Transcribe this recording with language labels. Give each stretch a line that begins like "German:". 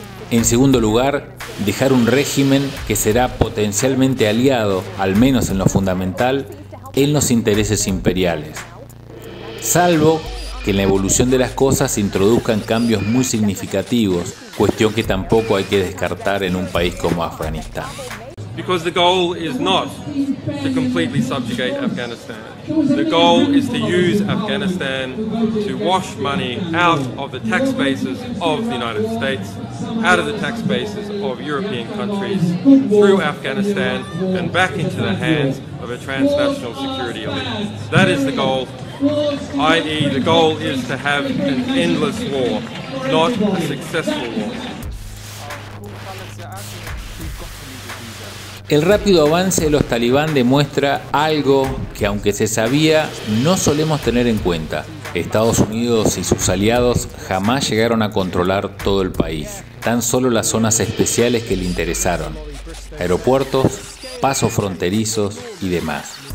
Spanish: En segundo lugar, dejar un régimen que será potencialmente aliado, al menos en lo fundamental, en los intereses imperiales. Salvo que en la evolución de las cosas se introduzcan cambios muy significativos, cuestión que tampoco hay que descartar en un país como Afganistán.
English: Because the goal is not to completely subjugate Afghanistan. The goal is to use Afghanistan to wash money out of the tax bases of the United States, out of the tax bases of European countries, through Afghanistan and back into the hands of a transnational security elite. That is the goal, i.e. the goal is to have an endless war, not a successful war.
Spanish: El rápido avance de los talibán demuestra algo que, aunque se sabía, no solemos tener en cuenta. Estados Unidos y sus aliados jamás llegaron a controlar todo el país, tan solo las zonas especiales que le interesaron: aeropuertos, pasos fronterizos y demás.